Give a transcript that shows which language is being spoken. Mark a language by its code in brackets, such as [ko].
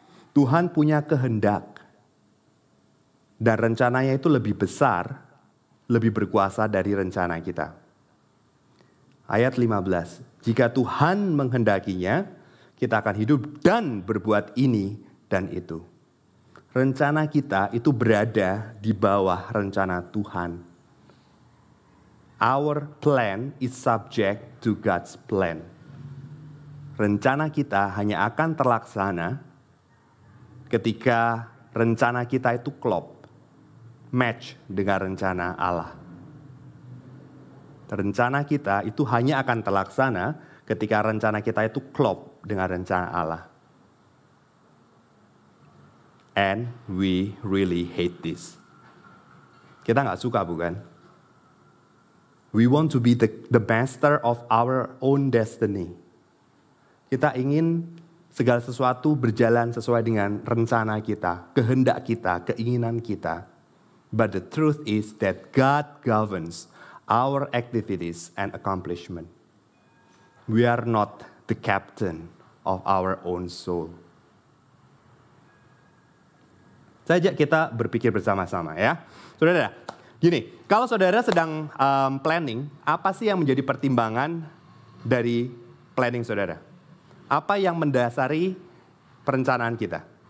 [id] Tuhan punya kehendak, dan rencananya itu lebih besar, lebih berkuasa dari rencana kita. Ayat 15. Jika Tuhan menghendakinya, kita akan hidup dan berbuat ini dan itu. Rencana kita itu berada di bawah rencana Tuhan. [en] Our plan is subject to God's plan. [id] Rencana kita hanya akan terlaksana ketika rencana kita itu klop, match dengan rencana Allah. Rencana kita itu hanya akan terlaksana ketika rencana kita itu klop dengan rencana Allah. [en] And we really hate this. [id] Kita gak suka, bukan? [en] We want to be the master of our own destiny. [id] Kita ingin segala sesuatu berjalan sesuai dengan rencana kita, kehendak kita, keinginan kita. [en] But the truth is that God governs our activities and accomplishment. we are not the captain of our own soul. [id] Saya ajak kita berpikir bersama-sama ya. Saudara, gini, kalau saudara sedang planning, apa sih yang menjadi pertimbangan dari planning saudara? Apa yang mendasari perencanaan kita?